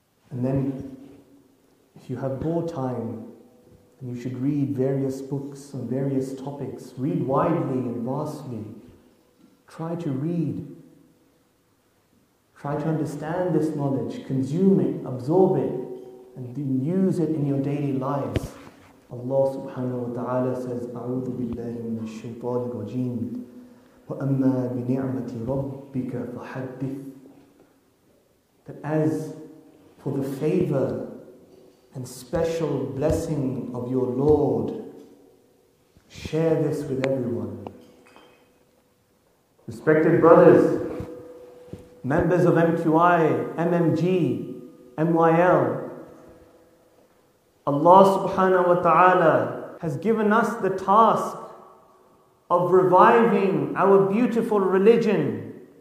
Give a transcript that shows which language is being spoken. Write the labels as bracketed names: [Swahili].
[English] And then, if you have more time, and you should read various books on various topics. Read widely and vastly. Try to read. Try to understand this knowledge. Consume it, absorb it, and then use it in your daily lives. Allah subhanahu wa ta'ala says, [Arabic] أَعُوذُ بِاللَّهِ مِنَ الشَّيْطَانِ الرَّجِيمِ وَأَمَّا بِنِعْمَةِ رَبِّكَ فَحَدِّثْ. [English] That as for the favor and special blessing of your Lord, share this with everyone. Respected brothers, members of MQI, MMG, MYL, Allah subhanahu wa ta'ala has given us the task of reviving our beautiful religion.